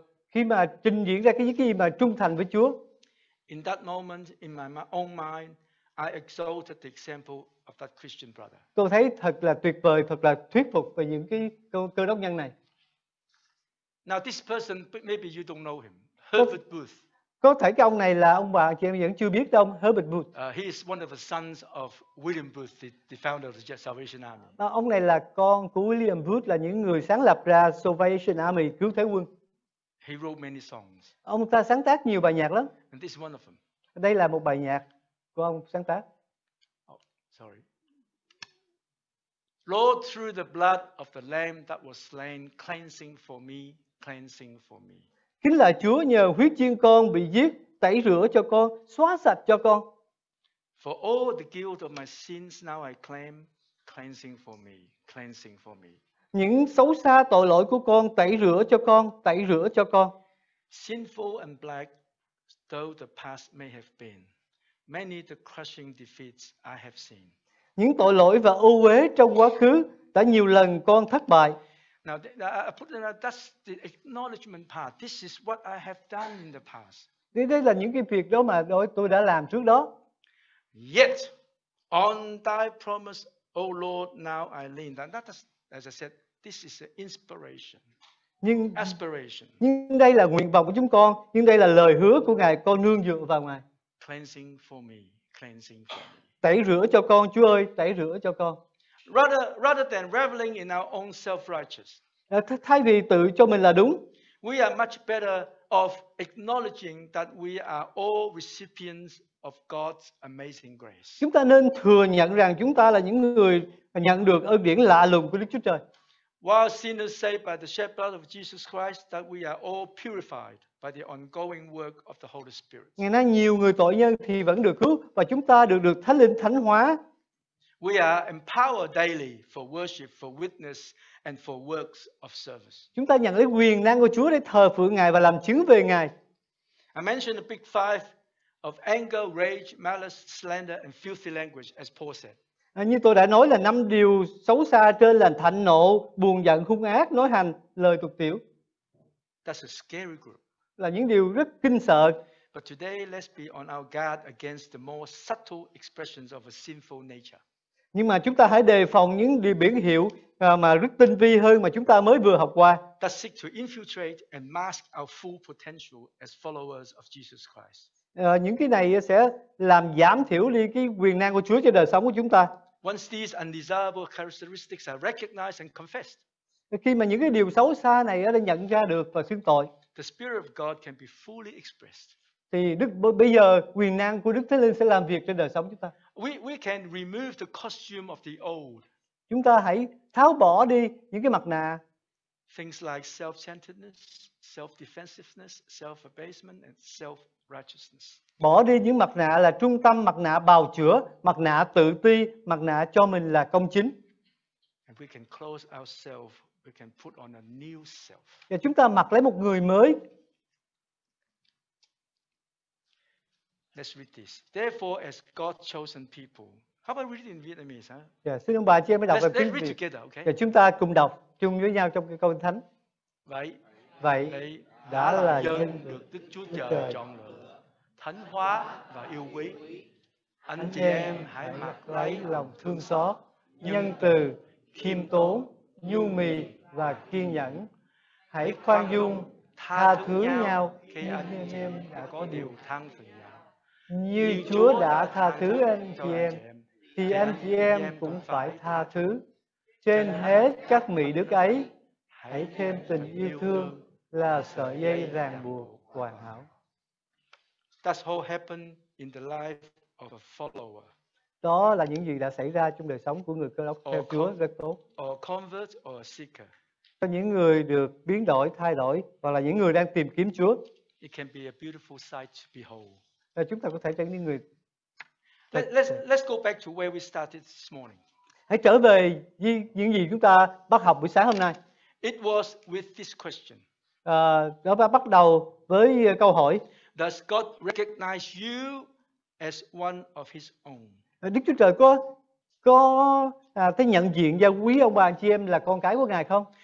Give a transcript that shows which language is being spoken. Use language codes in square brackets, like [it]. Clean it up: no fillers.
[vi] Khi mà trình diễn ra cái gì mà trung thành với Chúa. [en] In that moment, in my own mind, I exalted the example of that Christian brother. [vi] Tôi thấy thật là tuyệt vời, thật là thuyết phục về những cái cơ đốc nhân này. [en] Now this person, maybe you don't know him, Herbert Booth. [vi] Có thể cái ông này là ông bà chị em vẫn chưa biết ông Herbert Booth. [en] He is one of the sons of William Booth, the founder of the Salvation Army. [vi] Ông này là con của William Booth, là những người sáng lập ra Salvation Army, cứu thế quân. [en] He wrote many songs. [vi] Ông ta sáng tác nhiều bài nhạc lắm. [en] And this is one of them. [vi] Đây là một bài nhạc của ông sáng tác. [en] Oh, sorry. Lord, through the blood of the Lamb that was slain, cleansing for me, cleansing for me. [vi] Kính lạy Chúa, nhờ huyết chiên con bị giết, tẩy rửa cho con, xóa sạch cho con. [en] For all the guilt of my sins now I claim, cleansing for me, cleansing for me. [vi] Những xấu xa tội lỗi của con, tẩy rửa cho con, tẩy rửa cho con. [en] Sinful and black though the past may have been, many the crushing defeats I have seen. [vi] Những tội lỗi và ô uế trong quá khứ đã nhiều lần con thất bại. [en] Now that's the acknowledgement part. This is what I have done in the past. [vi] Đây là những cái việc đó mà tôi đã làm trước đó. [en] Yet on thy promise, O Lord, now I lean. That is, as I said, this is an inspiration. [vi] Nhưng [en] aspiration. [vi] Nhưng đây là nguyện vọng của chúng con, nhưng đây là lời hứa của Ngài, con nương dựa vào Ngài. [en] Cleansing for me, cleansing for me. [vi] Tẩy rửa cho con, Chúa ơi, tẩy rửa cho con. [en] Rather than reveling in our own self-righteousness. [vi] Thay vì tự cho mình là đúng. [en] We are much better off acknowledging that we are all recipients of God's amazing grace. [vi] Chúng ta nên thừa nhận rằng chúng ta là những người nhận được ơn điển lạ lùng của Đức Chúa Trời. [en] While sinners saved by the shed blood of Jesus Christ, that we are all purified by the ongoing work of the Holy Spirit. [vi] Ngày nay nhiều người tội nhân thì vẫn được cứu và chúng ta được Thánh Linh thánh hóa. [en] We are empowered daily for worship, for witness, and for works of service. [vi] Chúng ta nhận lấy quyền năng của Chúa để thờ phượng Ngài và làm chứng về Ngài. [en] I mentioned the big five of anger, rage, malice, slander, and filthy language, as Paul said. [vi] Như tôi đã nói là năm điều xấu xa trên là thạnh nộ, buồn giận, hung ác, nói hành, lời tục tiểu. [en] That's a scary group. [vi] Là những điều rất kinh sợ. [en] But today, let's be on our guard against the more subtle expressions of a sinful nature. [vi] Nhưng mà chúng ta hãy đề phòng những điều biển hiệu mà rất tinh vi hơn mà chúng ta mới vừa học qua. [en] That seek to infiltrate and mask our full potential as followers of Jesus Christ. [vi] Những cái này sẽ làm giảm thiểu đi cái quyền năng của Chúa cho đời sống của chúng ta. [en] Once these undesirable characteristics are recognized and confessed. [vi] Khi mà những cái điều xấu xa này đã nhận ra được và xưng tội. [en] The Spirit of God can be fully expressed. [vi] Thì bây giờ quyền năng của Đức Thánh Linh sẽ làm việc trên đời sống chúng ta. [en] We can remove the costume of the old. [vi] Chúng ta hãy tháo bỏ đi những cái mặt nạ. [en] Things like self-centeredness, self-defensiveness, self-abasement and self-righteousness. [vi] Bỏ đi những mặt nạ là trung tâm, mặt nạ bào chữa, mặt nạ tự ti, mặt nạ cho mình là công chính. [en] And we can close ourselves, we can put on a new self. [vi] Và chúng ta mặc lấy một người mới. [en] Let's read this. Therefore, as God's chosen people, how about read it in Vietnamese? [vi] Yeah, xin ông bà chị em mới đọc về tiếng Việt. [en] Let's read together, okay? [vi] Yeah, chúng ta cùng đọc. chung với nhau trong cái câu thánh. Vậy, vậy đã là dân được Đức Chúa Trời chọn lựa, thánh hóa và yêu quý. Anh chị em hãy mặc lấy lòng thương xót, nhân từ, khiêm tốn, nhu mì và kiên nhẫn. Hãy khoan dung, tha thứ nhau khi anh em đã có điều than phiền. Như Chúa đã tha thứ anh chị em, thì anh chị em cũng phải tha thứ. Trên hết các mỹ đức ấy, hãy thêm tình yêu thương là sợi dây ràng buộc hoàn hảo. [en] That's all happened in the life of a follower. [vi] Đó là những gì đã xảy ra trong đời sống của người cơ đốc theo Chúa rất tốt. [en] Or convert or seeker. [vi] Cho những người được biến đổi, thay đổi, hoặc là những người đang tìm kiếm Chúa. [en] It can be a beautiful sight to behold. [vi] Là chúng ta có thể trở nên người. [en] Let's go back to where we started this morning. [vi] Hãy trở về với những gì chúng ta bắt học buổi sáng hôm nay. [en] It was with this question. [vi] Đó là bắt đầu với câu hỏi. [en] Does God recognize you as one of His own? [vi] Đức Chúa Trời có thấy nhận diện và quý ông bà chị em là con cái của Ngài không?